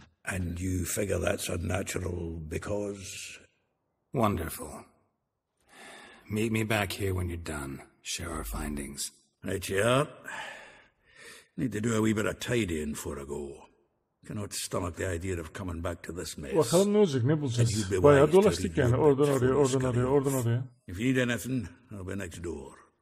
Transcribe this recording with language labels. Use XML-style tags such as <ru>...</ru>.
<en>And you figure that's unnatural because... Wonderful. Meet me back here when you're done. Share our findings. Right, yeah. Need to do a wee bit of tidying for a go. Cannot stomach the idea of coming back to this mess.</en> <tr>Bakalım ne olacak, ne bulacağız? Bayağı dolaştık yani, oradan oraya, oradan oraya, oradan oraya.</tr> <en>If you need anything, I'll be next door.</en>